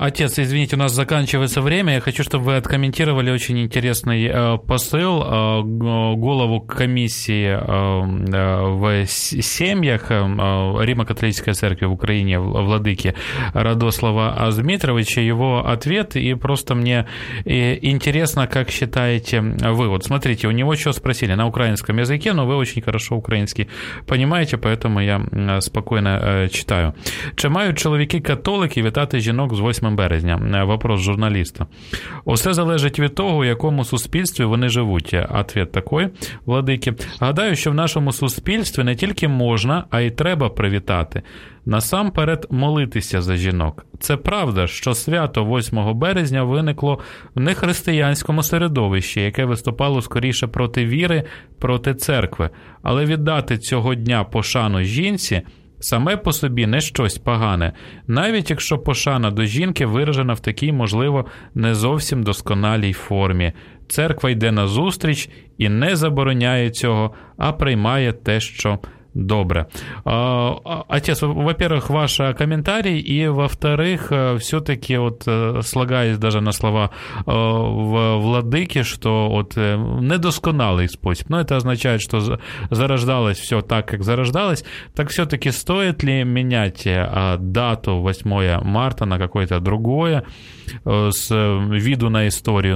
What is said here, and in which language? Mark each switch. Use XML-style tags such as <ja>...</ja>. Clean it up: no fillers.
<ru>Отец, извините, у нас заканчивается время. Я хочу, чтобы вы откомментировали очень интересный посыл голову комиссии в семьях Римо-католической церкви в Украине, владыки Радослава Дмитровича, его ответ. И просто мне интересно, как считаете вы. Вот смотрите, у него что спросили на украинском языке, но вы очень хорошо украинский понимаете, поэтому я спокойно читаю.</ru> <uk>Чи мають чоловіки-католики вітати жінок з 8 березня?</uk> <ru>Вопрос</ru> <uk>журналіста. Усе залежить від того, у якому суспільстві вони живуть.</uk> <ru>Ответ такой,</ru> <uk>владики. Гадаю, що в нашому суспільстві не тільки можна, а й треба привітати. Насамперед молитися за жінок. Це правда, що свято 8 березня виникло в нехристиянському середовищі, яке виступало скоріше проти віри, проти церкви. Але віддати цього дня пошану жінці саме по собі не щось погане, навіть якщо пошана до жінки виражена в такій, можливо, не зовсім досконалій формі. Церква йде назустріч і не забороняє цього, а приймає те, що Добре.</uk> <ru>Отец, во-первых, ваш комментарий, и во-вторых, все-таки вот слагаясь даже на слова владыки, что вот недосконалый способ, но это означает, что зарождалось все так, как зарождалось, так все-таки стоит ли менять дату 8 марта на какое-то другое с виду на историю?</ru>